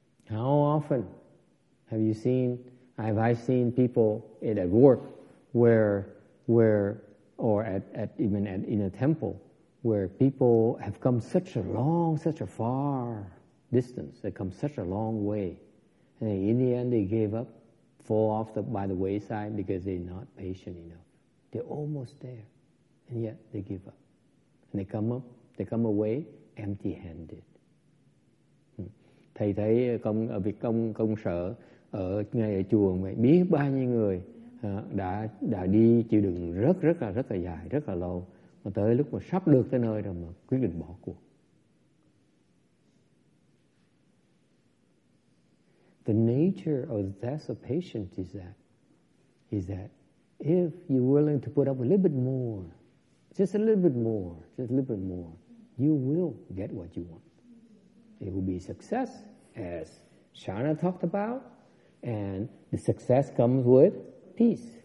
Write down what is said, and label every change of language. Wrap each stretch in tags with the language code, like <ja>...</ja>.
<en>How often have you seen, have I seen people at work or in a temple where people have come such a long, such a far distance, they come such a long way, and in the end they gave up, fall off the, by the wayside because they're not patient enough. They're almost there, and yet they give up. And they come up, they come away empty-handed.</en> <vi>Thầy thấy công ở việc công công sở ở ngay ở chùa mà biết bao nhiêu người đã đi chịu đựng rất là dài, rất là lâu, mà tới lúc mà sắp được tới nơi rồi mà quyết định bỏ cuộc.</vi> <en>The nature of the test of patience is that if you're willing to put up a little bit more, you will get what you want. It will be success, as Sharna talked about, and the success comes with peace.</en>